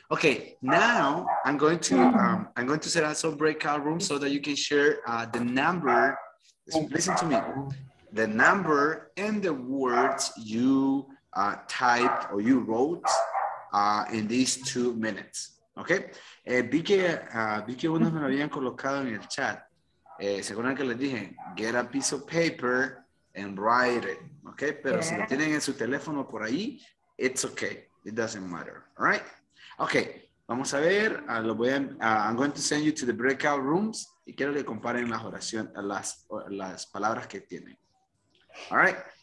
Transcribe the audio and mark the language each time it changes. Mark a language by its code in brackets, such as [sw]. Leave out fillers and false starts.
[en] Okay, now I'm going to set up some breakout rooms so that you can share the number. Listen to me. The number and the words you typed or you wrote in these 2 minutes. Okay. [es] Vi que unos me lo habían colocado en el chat. ¿Se acuerdan que les dije? [en] Get a piece of paper and write it. [es] Ok, pero yeah. Si lo tienen en su teléfono por ahí, [en] it's ok. It doesn't matter. All right. [es] Ok, vamos a ver. [en] I'm going to send you to the breakout rooms [es] y quiero que comparen las oraciones, las palabras que tienen. [en] All right.